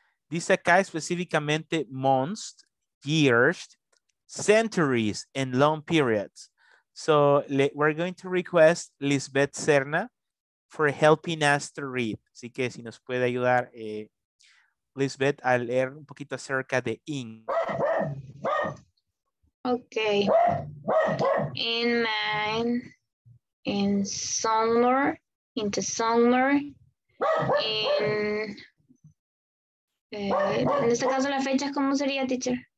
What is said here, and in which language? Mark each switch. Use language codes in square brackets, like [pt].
[es] Dice acá específicamente [en] months, years, centuries, and long periods. So we're going to request Lisbeth Serna for helping us to read. [es] Así que si nos puede ayudar, Lisbeth, a leer un poquito acerca de in. [en] Okay. In man, in summer, in the summer, in. [es] En este caso, la fecha, ¿cómo sería, teacher?